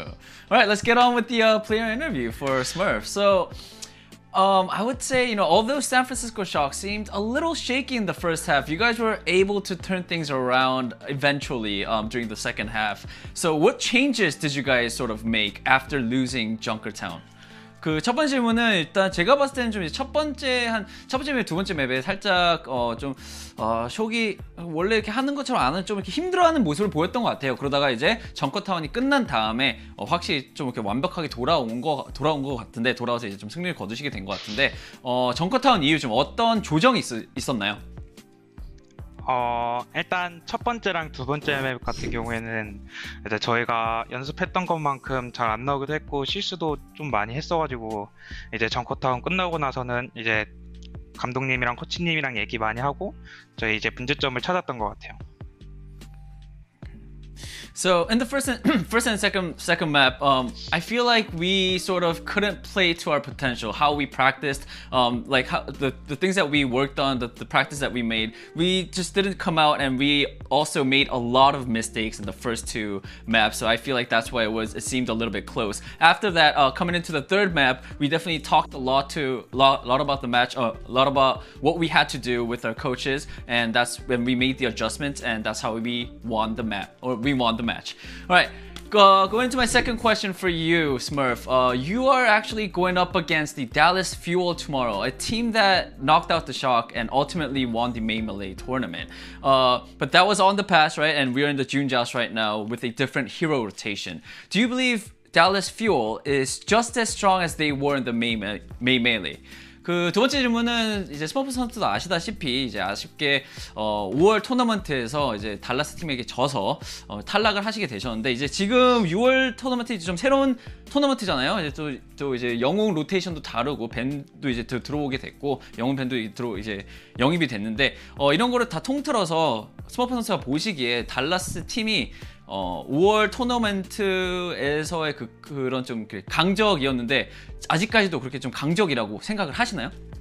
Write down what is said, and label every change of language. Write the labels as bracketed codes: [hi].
[en] All right, let's get on with the player interview for Smurf. So, I would say, you know, although San Francisco Shock seemed a little shaky in the first half, you guys were able to turn things around eventually during the second half. So what changes did you guys sort of make after losing Junkertown? [ko] 그 첫 번째 질문은 일단 제가 봤을 때는 좀 이제 첫 번째 맵, 두 번째 맵에 살짝 쇼기 원래 이렇게 하는 것처럼 안은 좀 이렇게 힘들어하는 모습을 보였던 것 같아요. 그러다가 이제 정커타운이 끝난 다음에 확실히 좀 이렇게 완벽하게 돌아온 것 같은데 돌아와서 이제 좀 승리를 거두시게 된 것 같은데 정커타운 이후 좀 어떤 조정이 있었나요? 일단 첫 번째랑 두 번째 맵 같은 경우에는 이제 저희가 연습했던 것만큼 잘 안 나오기도 했고 실수도 좀 많이 했어가지고 이제 정커타운 끝나고 나서는 이제 감독님이랑 코치님이랑 얘기 많이 하고 저희 이제 문제점을 찾았던 것 같아요. [en] So in the first and second map, I feel like we sort of couldn't play to our potential. How we practiced, the things that we worked on, the practice that we made, we just didn't come out, and we also made a lot of mistakes in the first two maps. So I feel like that's why it seemed a little bit close. After that, coming into the third map, we definitely talked a lot about the match, a lot about what we had to do with our coaches, and that's when we made the adjustments, and that's how we won the map, or we won the match. All right, going to my second question for you, Smurf. You are actually going up against the Dallas Fuel tomorrow, a team that knocked out the Shock and ultimately won the main melee tournament. But that was on the past, right? And we are in the June Joust right now with a different hero rotation. Do you believe Dallas Fuel is just as strong as they were in the main melee? [ko] 그 두 번째 질문은 이제 스머프 선수도 아시다시피 이제 아쉽게 5월 토너먼트에서 이제 달라스 팀에게 져서 탈락을 하시게 되셨는데 이제 지금 6월 토너먼트 이제 좀 새로운 토너먼트잖아요. 이제 또 이제 영웅 로테이션도 다르고 밴도 이제 들어오게 됐고 영웅 밴도 이제 영입이 됐는데 이런 거를 다 통틀어서 스머프 선수가 보시기에 달라스 팀이 5월 토너먼트에서의 그런 좀 강적이었는데 아직까지도 그렇게 좀 강적이라고 생각을 하시나요?